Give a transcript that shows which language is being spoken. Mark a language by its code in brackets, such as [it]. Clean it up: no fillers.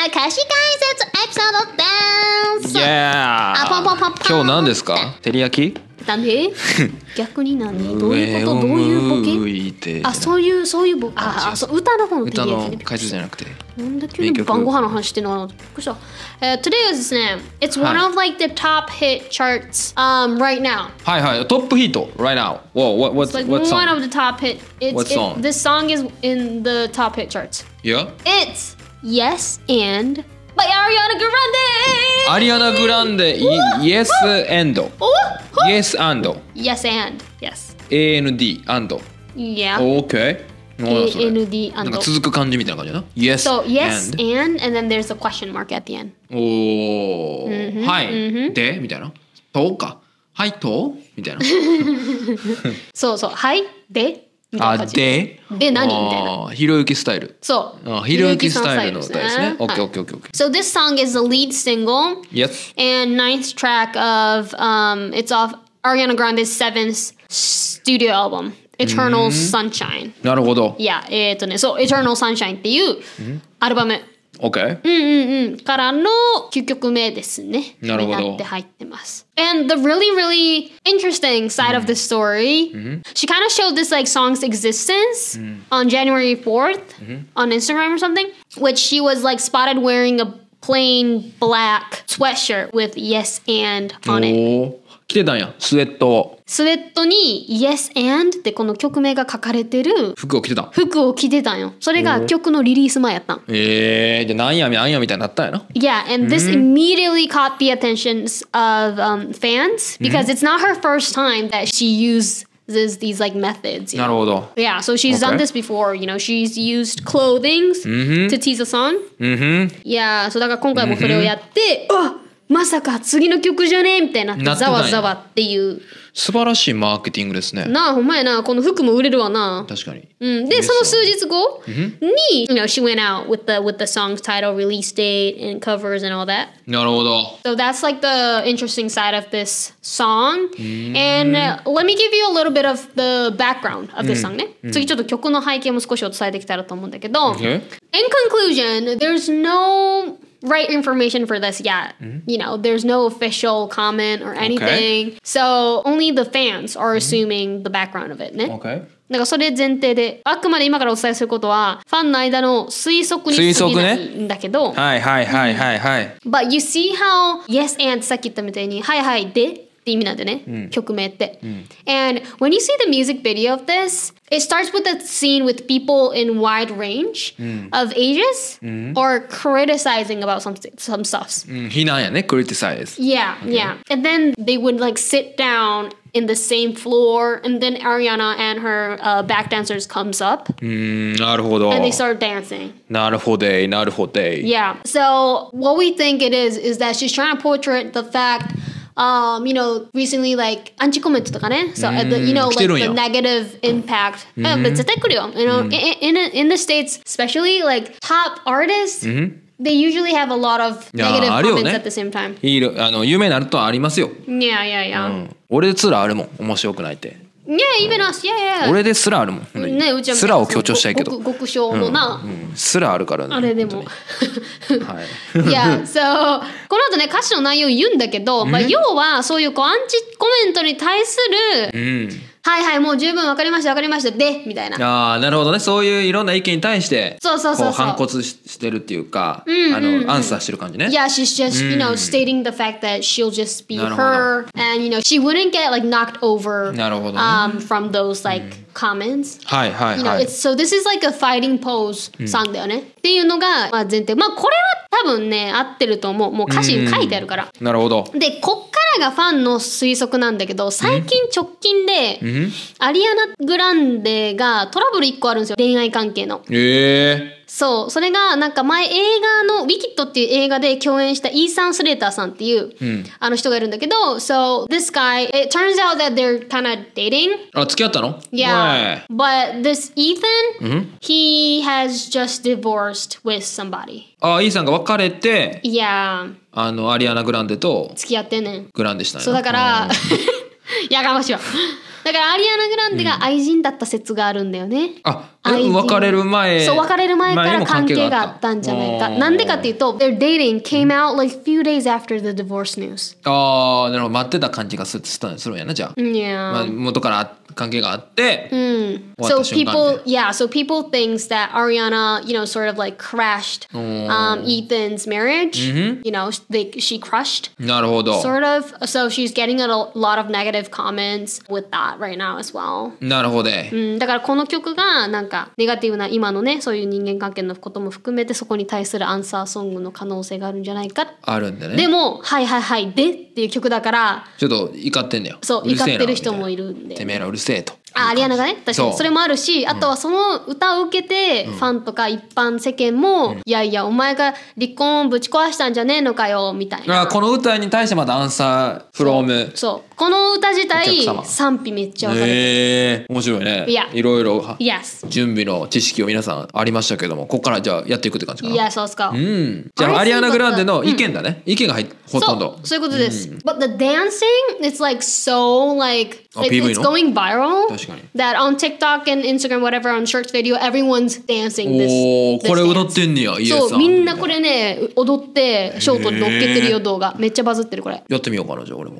[ja] 歌詞解説エピソードです [en] 。 Yeah! [ja] あ、ポンポンポンポン。今日何ですか？照り焼き？なんで？逆になんで？どういうこと？どういうボケ？あ、そういう、そういうボケ。あ、そう、歌の方の照り焼き。歌の解説じゃなくて。なんで急に晩御飯の話してんの？びっくりした。 [en] Today is ですね、It's one of like the top hit charts right now. [ja] はいはい、トップヒート [en] right now. Whoa, what's song? One of the top hit. This song is in the top hit charts. Yeah. It's Yes and by Ariana Grande. Ariana Grande. Yes and. Yes and. Yes and. Yes. A N D and. Yeah. Okay. A-N-D and [ja] なんか続く感じみたいな感じだな Yes [en] so, yes and then there's a question mark at the end おー、mm-hmm. はい、mm-hmm. [ja] でみたいなとかはいとみたいなそうそうはいでみたいな感じで何みたいなひろゆきスタイルそうひろゆきスタイルの歌ですね OK OK OK OK [en] So this song is the lead single Yes and ninth track of it's off Ariana Grande's seventh studio albumEternal Sunshine [ja] なるほど [en] Yeah, So Eternal Sunshine っていうアルバム OK [ja] からの9曲目ですねなるほどって入ってます [en] And the really, really interesting side of the story She kind of showed this like song's existence on January 4th on Instagram or something Which she was like spotted wearing a plain black sweatshirt with Yes and on it [ja] 着てたんやスウェットをスウェットに Yes and ってこの曲名が書かれてる服を着てた服を着てたんよそれが曲のリリース前やったんへ、じゃあなんやみなんやみたいになったんやな [en] Yeah and this immediately caught the attention of fans because it's not her first time that she uses these like methods you know? なるほど Yeah so she's done this before you know she's used clothing to tease a song Yeah so [ja] だから今回もそれをやってまさか次の曲じゃねえみたいなってざわざわっていう素晴らしいマーケティングですねなあほんまやなこの服も売れるわな確かに、うん、でその数日後に [en] You know she went out with the song's title release date and covers and all that [ja] なるほど [en] So that's like the interesting side of this song And let me give you a little bit of the background of this song [ja] ね次ちょっと曲の背景も少しお伝えできたらと思うんだけど、 [en] okay. In conclusion there's noright information for this yet. You know, there's no official comment or anything. Okay. So, only the fans are assuming the background of it. Okay. [ja] だからそれ前提で、あくまで今からお伝えすることは、ファンの間の推測に推測ね。んだけど。はいはいはいはいはい。 [en] But you see how yes and [ja] さっき言ったみたいに、はいはいでって意味なんでね。曲名って。 [en] And when you see the music video of this,It starts with a scene with people in wide range of ages or criticizing about some stuff. Hinaya, ne? Criticize. Yeah, okay. yeah. And then they would like sit down in the same floor and then Ariana and her back dancers comes up. [ja] なるほど。 [en] And they start dancing. [ja] なるほど、なるほど。 [en] Yeah. So what we think it is that she's trying to portray the fact... you know, recently, like, anti comment [ja] とかね [en] So, you know, like, the negative impact. But [ja] 絶対来るよ [en] You know, in the States, especially, like, top artists, they usually have a lot of negative comments at the same time. [ja] いろ、あの、有名になるとありますよ [en] Yeah, yeah, yeah. [ja] 俺ですらあるもん、面白くないって。 [en] Yeah, even us. Yeah, yeah. [ja] 俺ですらあるもん。ね、うちは。すらを強調したいけど。極小のな。すらあるからね。あれでも。はい。 [en] Yeah, so, [ja] この後ね、歌詞の内容言うんだけど、まあ、要は、そういう、こう、アンチコメントに対する、はいはい、もう十分わかりました、わかりました、で、みたいな。ああ、なるほどね。そういういろんな意見に対して、そうそうそう。こう、反骨してるっていうか、アンサーしてる感じね。 [en] Yeah, she's just, you know, stating the fact that she'll just be her, and, you know, she wouldn't get, like, knocked over, [ja] なるほど、ね、 [en] from those, like,comments. [ja] はいはいはい。 [en] You know, so this is like a fighting pose song [ja] だよね。っていうのが、まあ、前提。まあこれは多分ね、合ってると思う。もう歌詞に書いてあるから。なるほど。で、こっからがファンの推測なんだけど、最近直近で、アリアナ・グランデがトラブル1個あるんですよ。恋愛関係の。へ、そう。それがなんか前映画の、ウィキッドっていう映画で共演したイーサン・スレーターさんっていう、あの人がいるんだけど、 [en] So this guy, it turns out that they're kind of dating. [ja] あ、付き合ったの？ [en] Yeah. But this Ethan, he has just divorced with somebody. [ja] Ah, Ethan が別れて [en] Yeah. [ja] あのアリアナグランデと付き合ってんねん。グランデしたんや。そうだからやがましいわ。だからアリアナグランデが愛人だった説があるんだよね、うん、あ、別れる前、そう別れる前から関係があったんじゃないか。なんでかっていうと [en] their dating came out like few days after the divorce news。 [ja] あー、なるほど、待ってた感じがするんやな。じゃあ、 [en] yeah. [ja] まあ、元から関係があって、 [en] うん、So people, yeah, so people thinks that Ariana, you know, sort of like crashed Ethan's marriage. You know, she crushed. [ja] なるほど。 [en] Sort of. So she's getting a lot of negative comments with that right now as well. [ja] なるほど。うん、だからこの曲がなんかネガティブな今のね、そういう人間関係のことも含めてそこに対するアンサーソングの可能性があるんじゃないか。あるんだね。でも、はいはいはい、でっていう曲だから。ちょっと怒ってんだよ。そう、怒ってる人もいるんで。てめえらうるせえと。あ、アリアナがね、確かにそれもあるし、あとはその歌を受けてファンとか一般世間も、うん、いやいや、お前が離婚ぶち壊したんじゃねえのかよみたいな。この歌に対してまだアンサーフローム。そう、この歌自体賛否めっちゃ分かる。面白いね。 [en] Yeah. [ja] いろいろ準備の知識を皆さんありましたけども、ここからじゃあやっていくって感じかな。 [en] Yeah, so let's go. [ja] うん。じゃあアリアナグランデの意見だね。意見が入ほとんど。そういうことです。 [en] うん、But the dancing, it's like so like it's going viral. That on TikTok and Instagram, whatever, on shorts video, everyone's dancing this. [ja] おお、これ踊ってんねや、イエさん。そう、みんなこれね、踊ってショートに乗っけてるよ動画。めっちゃバズってるこれ。やってみようかな、じゃあ俺も。